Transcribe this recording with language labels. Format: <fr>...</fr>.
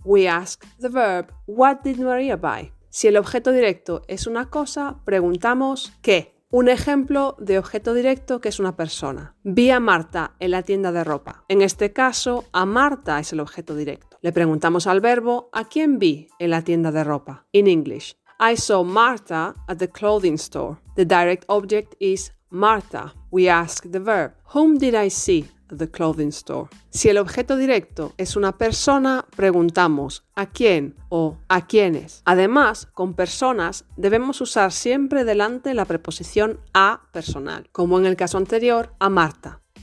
<en>We ask the verb, what did Maria buy?</en> <es>Si el objeto directo es una cosa, preguntamos ¿qué? Un ejemplo de objeto directo que es una persona. Vi a Marta en la tienda de ropa. En este caso, a Marta es el objeto directo. Le preguntamos al verbo, ¿a quién vi en la tienda de ropa?</es> <en>In English, I saw Marta at the clothing store. The direct object is Marta. We ask the verb, whom did I see? The clothing store.</en> <es>Si el objeto directo es una persona, preguntamos ¿a quién? O ¿a quiénes? Además, con personas debemos usar siempre delante la preposición a personal, como en el caso anterior, a Marta.</es>